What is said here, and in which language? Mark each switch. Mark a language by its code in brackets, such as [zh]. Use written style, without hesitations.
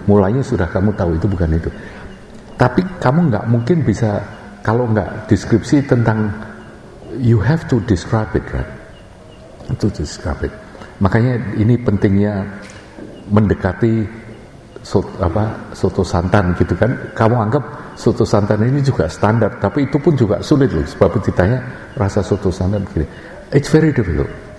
[id] Mulanya sudah kamu tahu itu bukan itu. Tapi kamu nggak mungkin bisa kalau nggak deskripsi tentang. [en] You have to describe it, right? To describe it. [id] Makanya ini pentingnya mendekati soto santan gitu kan. Kamu anggap soto santan ini juga standar, tapi itu pun juga sulit loh. Sebab ditanya rasa soto santan begini. [en] It's very difficult.